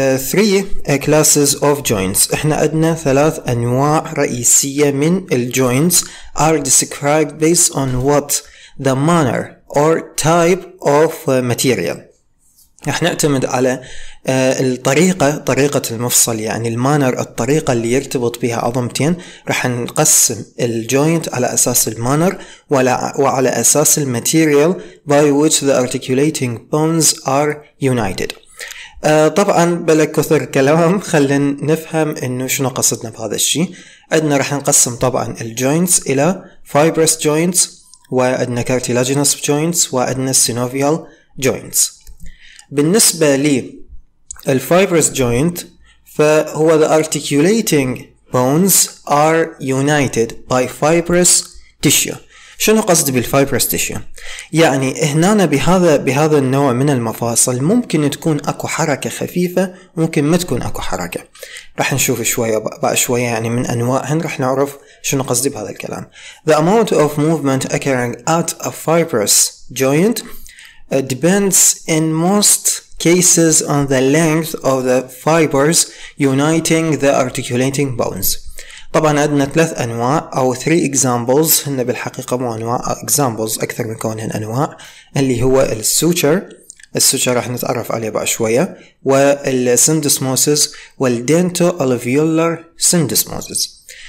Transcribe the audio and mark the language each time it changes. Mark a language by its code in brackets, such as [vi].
[en] Three classes of joints. [ar] إحنا عندنا ثلاث أنواع رئيسية من الجوينتس. [en] Are described based on what the manner or type of material. [ar] إحنا نعتمد على الطريقة، طريقة المفصل يعني المانر، الطريقة اللي يرتبط بها عظمتين. رح نقسم الجوينت على أساس المانر وعلى أساس الماتيريال [en] by which the articulating bones are united. [ar] طبعا بلا كثر كلام خلينا نفهم انه شنو قصدنا بهذا الشيء. عندنا راح نقسم طبعا الجوينتس الى fibrous joints، وعندنا cartilaginous joints، وعندنا synovial joints. بالنسبه لي [en] fibrous joint فهو the articulating bones are united by fibrous tissue. [ar] شنو قصد بالفايبرس تيشو؟ يعني هنا بهذا النوع من المفاصل ممكن تكون اكو حركة خفيفة، ممكن ما تكون اكو حركة. راح نشوف شوية بقى شوية يعني من انواعهن راح نعرف شنو قصد بهذا الكلام. [en] The amount of movement occurring at a fibrous joint depends in most cases on the length of the fibers uniting the articulating bones. [ar] طبعا عندنا ثلاث انواع او 3 examples، هن بالحقيقه مو انواع أو examples اكثر من كونهن انواع، اللي هو السوتشر، السوتشر راح نتعرف عليه بعد شويه، والسندسموسس والدينتو الفيولر سندسموسس.